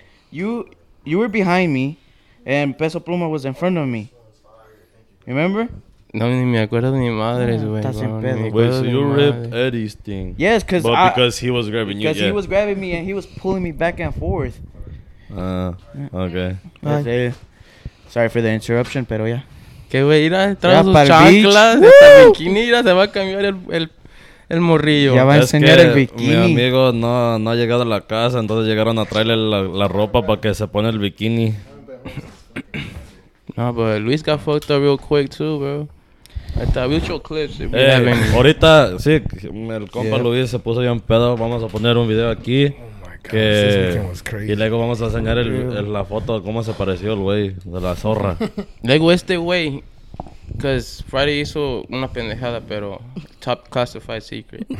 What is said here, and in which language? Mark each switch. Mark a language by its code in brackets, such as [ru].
[en] You were behind me, and Peso Pluma was in front of me. Remember? [es] No, ni me acuerdo ni madres, güey. [en] Wait, so you ripped Eddie's thing. Yes, because I... But because he was grabbing you, Because he was grabbing me, and he was pulling me back and forth. Okay. Bye. Sorry for the interruption, [es] pero ya. Que, güey, irá a entrar sus chanclas, hasta bikini, irá, se va a cambiar el morrillo. Ya va a enseñar el bikini. Mi amigo no ha llegado a la casa, entonces llegaron a traerle la ropa para que se pone el bikini. [en] No, but Luis got fucked up real quick too, bro. I thought we'll show clips. [es] Ahorita, sí, el compa Luis se puso bien pedo. Vamos a poner un video aquí. Que, y luego vamos a enseñar la foto de cómo se pareció el güey de la zorra. Luego este güey, [en] because Friday [es] hizo una pendejada, pero [en] top classified secret.